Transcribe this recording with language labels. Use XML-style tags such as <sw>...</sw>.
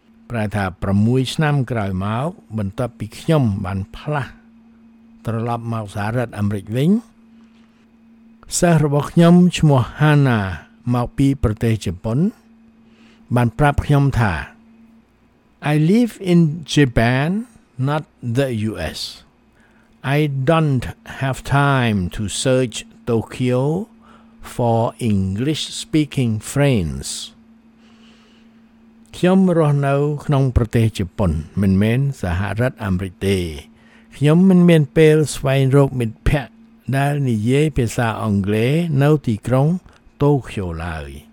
<km>ប្រែថា6ឆ្នាំក្រោយមកបន្ទាប់ពីខ្ញុំបានផ្លាស់ត្រឡប់មកសហរដ្ឋអាមេរិកវិញសិស្សរបស់ខ្ញុំឈ្មោះ Hana មកពីប្រទេសជប៉ុនបានប្រាប់ខ្ញុំថា</km> <en>I live in Japan, not the US. I don't have time to search Tokyo for English-speaking friends.</en> <km>ខ្ញុំរស់នៅក្នុងប្រទេសជប៉ុនមិនមែនសហរដ្ឋអាមេរិកទេ ខ្ញុំមិនមានពេលស្វែងរកមិត្តភ័ក្តិដែលនិយាយភាសាអង់គ្លេសនៅទីក្រុងតូក្យូឡើយ</km>